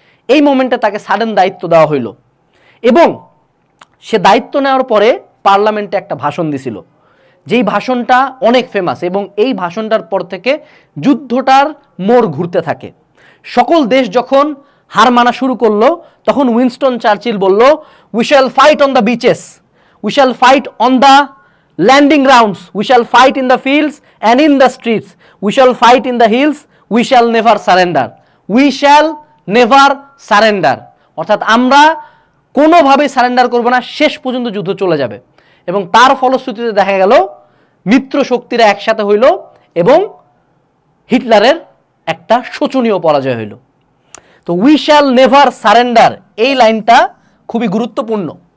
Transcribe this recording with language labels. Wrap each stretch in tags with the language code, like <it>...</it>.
<bn>এই মোমেন্টে তাকে সাডেন দায়িত্ব দেওয়া হইল, এবং সে দায়িত্ব নেওয়ার পরে পার্লামেন্টে একটা ভাষণ দিছিল, যেই ভাষণটা অনেক ফেমাস। এবং এই ভাষণটার পর থেকে যুদ্ধটার মোড় ঘুরতে থাকে। সকল দেশ যখন হার মানা শুরু করলো, তখন উইনস্টন চার্চিল বলল,</bn> <en>we shall fight on the</en> <bn>bitches, we shall fight on the</bn> <en>landing grounds. We shall fight in the fields and in the streets. We shall fight in the hills. We shall never surrender. We shall never surrender.</en> <bn>অর্থাৎ আমরা কোনোভাবে surrender করব না, শেষ পর্যন্ত যুদ্ধ চলে যাবে। এবং তার ফলশ্রুতিতে দেখা গেল মিত্র শক্তিরা একসাথে হইল এবং হিটলারের একটা শোচনীয় পরাজয় হইল। তো</bn> <en>we shall never surrender,</en> <bn>এই লাইনটা খুবই গুরুত্বপূর্ণ।</bn>